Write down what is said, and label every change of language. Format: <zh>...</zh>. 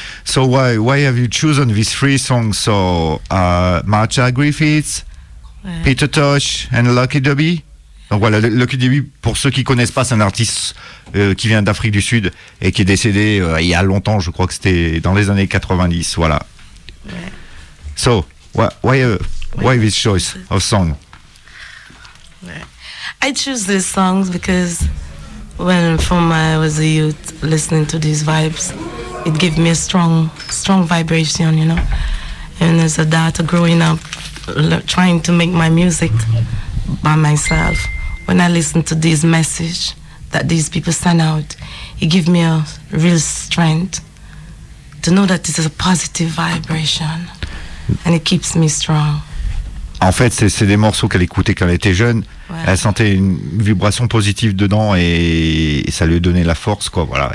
<en>So why have you chosen these three songs? So Marcia Griffiths, ouais. Peter Tosh and Lucky to Be.</en> <fr>Donc voilà, Lucky to Be, pour ceux qui ne connaissent pas, c'est un artiste qui vient d'Afrique du Sud et qui est décédé il y a longtemps, je crois que c'était dans les années 90, voilà. Ouais.</fr> <en>So, why this choice of song? I choose these songs because when from I was a youth listening to these vibes, it gave me a strong vibration, you know. and as a daughter growing up, trying to make my music by myself, when I listen to this message that these people send out, it gives me a real strength to know that this is a positive vibration, and it keeps me strong.</en> <fr>En fait, c'est des morceaux qu'elle écoutait quand elle était jeune. Ouais. Elle sentait une vibration positive dedans et ça lui donnait la force, quoi. Voilà.</fr>